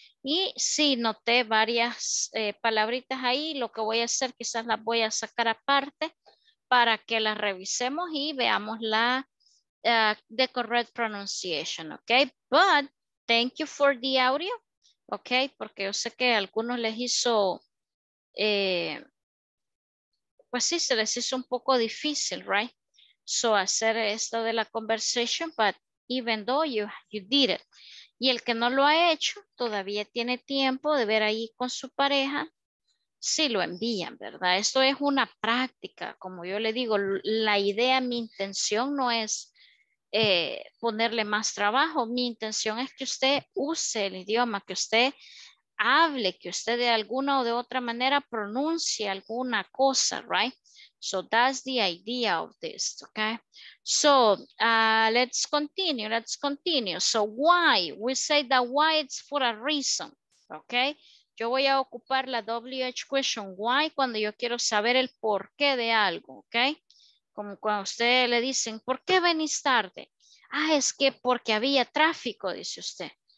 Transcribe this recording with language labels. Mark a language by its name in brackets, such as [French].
[Spanish] Y sí, noté varias palabritas ahí, lo que voy a hacer, quizás las voy a sacar aparte para que las revisemos y veamos la [English] the correct pronunciation, [Spanish] okay? [English] But thank you for the audio, okay? [Spanish] Porque yo sé que a algunos les hizo, pues sí, se les hizo un poco difícil, right? [English] So [Spanish] hacer esto de la [English] conversation, but even though you did it. [Spanish] Y el que no lo ha hecho, todavía tiene tiempo de ver ahí con su pareja, si lo envían, ¿verdad? Esto es una práctica, como yo le digo, la idea, mi intención no es ponerle más trabajo. Mi intención es que usted use el idioma, que usted hable, que usted de alguna o de otra manera pronuncie alguna cosa, right? [English] So that's the idea of this, okay? So let's continue. So why? We say that why it's for a reason, okay? [Spanish] Yo voy a ocupar la WH question why cuando yo quiero saber el porqué de algo, okay? Como cuando a usted le dicen, ¿por qué venís tarde? Ah, es que porque había tráfico, dice usted.